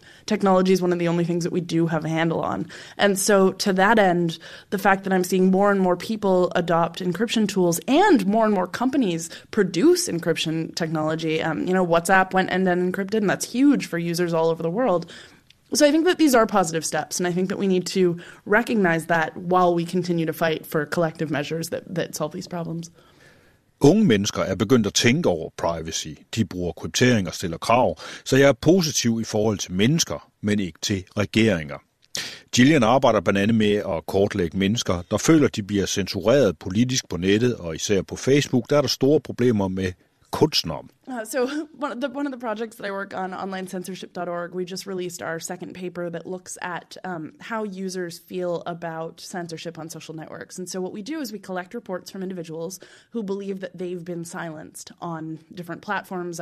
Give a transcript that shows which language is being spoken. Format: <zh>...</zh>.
<en>Technology is one of the only things that we do have a handle on. And so to that end, the fact that I'm seeing more and more people adopt encryption tools and more companies produce encryption technology, you know, WhatsApp went end-to-end encrypted, and that's huge for users all over the world. So I think that these are positive steps, and I think that we need to recognize that while we continue to fight for collective measures that, that solve these problems.</en> <da>Unge mennesker er begyndt at tænke over privacy. De bruger kryptering og stiller krav, så jeg er positiv i forhold til mennesker, men ikke til regeringer. Jillian arbejder blandt andet med at kortlægge mennesker, der føler, de bliver censureret politisk på nettet, og især på Facebook, der er der store problemer med kunstnere.</da> <en>So one of the projects that I work on, onlinecensorship.org, we just released our second paper that looks at how users feel about censorship on social networks. And so what we do is we collect reports from individuals who believe that they've been silenced on different platforms.</en>